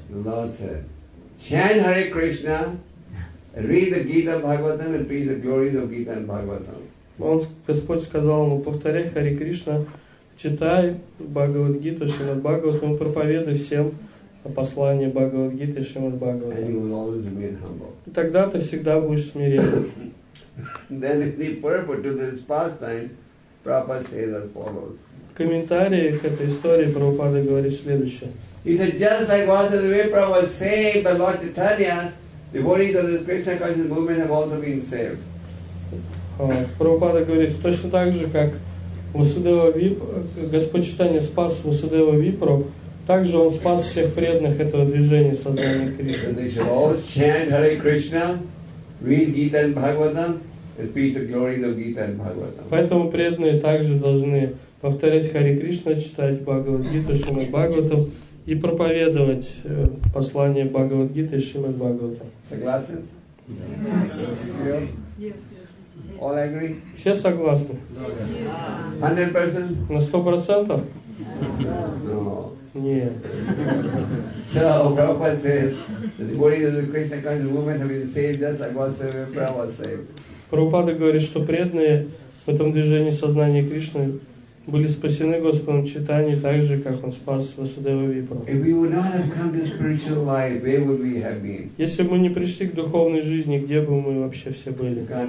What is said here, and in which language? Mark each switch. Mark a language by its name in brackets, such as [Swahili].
[English] The Lord said, chant Hare Krishna, read the Gita Bhagavatam and preach the glories of Gita and Bhagavatam. [Russian] Он, Господь сказал ему, повторяй Hare Krishna, читай Бхагавад Гиту, Шримад Бхагаватам, проповедуй всем послание Бхагавад Гиты, Шримад Бхагаватам. [English] And you will always remain humble. [Russian] Тогда ты всегда будешь смиренным. [English] Then the purpose to this pastime, Prabhupada says as follows. [Russian] В комментарии к этой истории Прабхупада говорит следующее. [English] He said, just like Vasudeva Vipra was saved by Lord Chaitanya, the devotees of this Krishna consciousness movement have also been saved. [Russian] Прабхупада говорит, точно так же, как Господь Чайтанья спас Васудеву Випру, так же Он спас всех преданных этого движения сознания Кришны. [English] They should always chant Hare Krishna, read Gita and Bhagavatam, and preach the glories of Gita and Bhagavatam. [Russian] Поэтому преданные также должны повторять Хари Кришна, читать Бхагавад Гиту, Шримад Бхагаватам и проповедовать послание Бхагавад Гиты и Шримад Бхагаватам. Согласен? [English] Yes. All agree? [Russian] Все согласны? [English] 100%? [Russian] На 100%? Нет. [English] So Prabhupada says that the body of the Krishna conscious movement have been saved just like what Vipra was saved. [Russian] Прабхупада говорит, что преданные в этом движении сознания Кришны были спасены Господом Чайтаньей так же, как Он спас Васудеву Випру. Если бы мы не пришли к духовной жизни, где бы мы вообще все были?